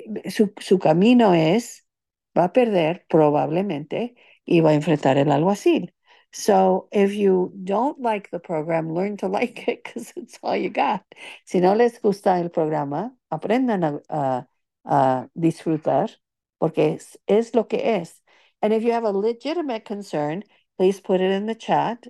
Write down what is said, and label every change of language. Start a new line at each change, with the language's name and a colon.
Spanish: Su camino es, va a perder probablemente y va a enfrentar el alguacil.
English: So if you don't like the program, learn to like it because it's all you got.
Spanish: Si no les gusta el programa, aprendan a disfrutar. Porque es lo que es.
English: And if you have a legitimate concern, please put it in the chat.